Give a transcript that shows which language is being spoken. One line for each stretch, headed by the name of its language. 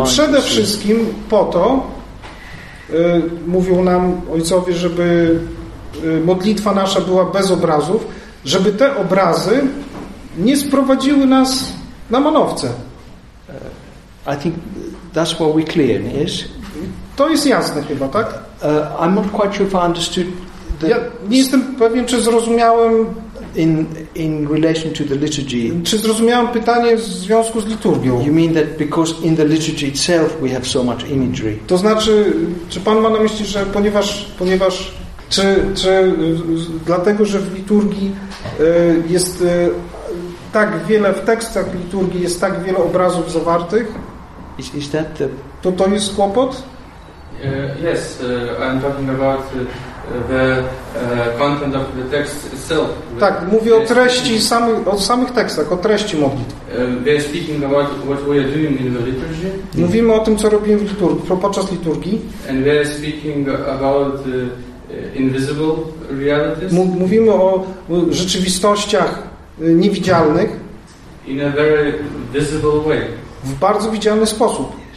Polish: Ale przede wszystkim po to mówią nam ojcowie, żeby modlitwa nasza była bez obrazów, żeby te obrazy nie sprowadziły nas na manowce.
English: I think that's what we're clear, yes?
Polish: To jest jasne chyba, tak?
English: I'm not quite sure if I understood.
Polish: Ja nie jestem pewien, czy zrozumiałem.
English: In relation to the liturgy.
Polish: Czy zrozumiałem pytanie w związku z liturgią?
English: You mean that because in the liturgy itself we have so much imagery.
Polish: To znaczy, czy pan ma na myśli, że ponieważ czy dlatego, że w liturgii jest tak wiele, w tekstach liturgii jest tak wiele obrazów zawartych?
English: Is that the...
Polish: To jest kłopot?
English: Yes, I'm talking about the content of the text itself.
Polish: Tak, mówię o treści, samych tekstach, o treści modlitw.
English: We're speaking about what we are doing in the liturgy.
Polish: Mówimy o tym, co robimy w liturgii, podczas liturgii.
English: And we're speaking about invisible realities.
Polish: Mówimy o rzeczywistościach niewidzialnych.
English: In a very visible way.
Polish: W bardzo widzialny sposób.